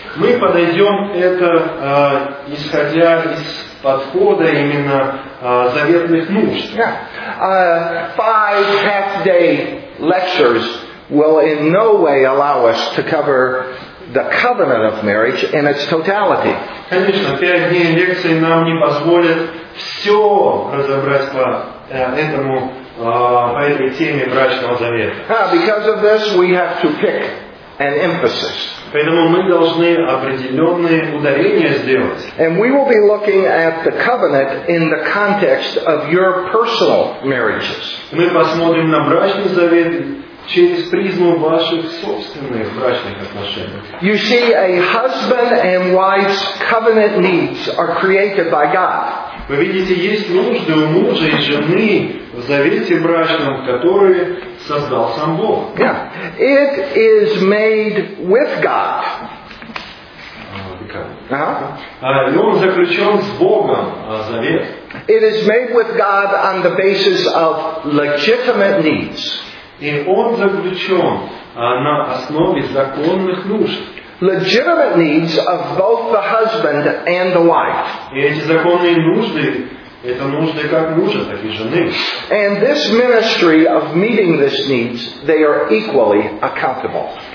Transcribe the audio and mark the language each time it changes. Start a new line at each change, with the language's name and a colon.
Russian: Мы подойдем это исходя из подхода именно заветных нужд.
English: Yeah. Five half-day lectures will in no way allow us to cover the covenant of marriage in its totality.
Russian: Конечно, 5 дней лекции нам не позволят все разобрать по этому, по этой теме брачного завета.
English: Because of this, we have to pick an emphasis.
Russian: Поэтому мы должны определенные ударения сделать.
English: And we will be looking at the covenant in the context of your personal marriages.
Russian: Мы посмотрим на брачный завет через призму ваших собственных брачных отношений.
English: You see, a husband and wife's covenant needs are created by God.
Russian: Вы видите, есть нужды у мужа и жены в завете брачном, которые создал сам Бог.
English: Yeah. It is made with God.
Russian: И он заключен с Богом, завет.
English: It is made with God on the basis of legitimate needs.
Russian: И он заключен на основе законных нужд.
English: Legitimate needs of both the husband and the wife.
Russian: И эти законные нужды, это нужды как мужа, так и жены.
English: And this ministry of meeting these needs, they are equally accountable.